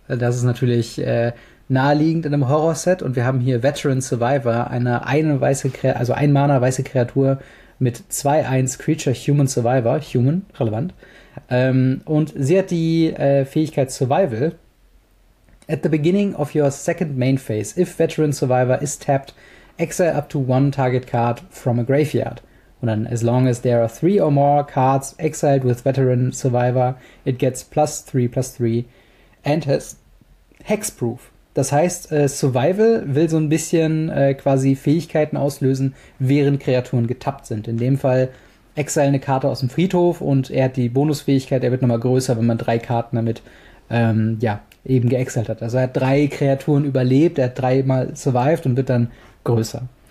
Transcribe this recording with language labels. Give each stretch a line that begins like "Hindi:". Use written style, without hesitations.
German: Das ist natürlich naheliegend in einem Horror-Set. Und wir haben hier Veteran Survivor, ein Mana weiße Kreatur mit 2-1 Creature Human Survivor. Human, relevant. Und sie hat die Fähigkeit Survival.
English: At the beginning of your second main phase, if Veteran Survivor is tapped, exile up to one target card from a graveyard.
German: Und dann,
English: as long as there are three or more cards exiled with Veteran Survivor, it gets +3/+3 and has hexproof.
German: Das heißt, Survival will so ein bisschen quasi Fähigkeiten auslösen, während Kreaturen getappt sind. In dem Fall exile eine Karte aus dem Friedhof und er hat die Bonusfähigkeit, er wird nochmal größer, wenn man drei Karten damit eben geexiled hat. Also er hat drei Kreaturen überlebt, er hat dreimal survived und wird dann größer.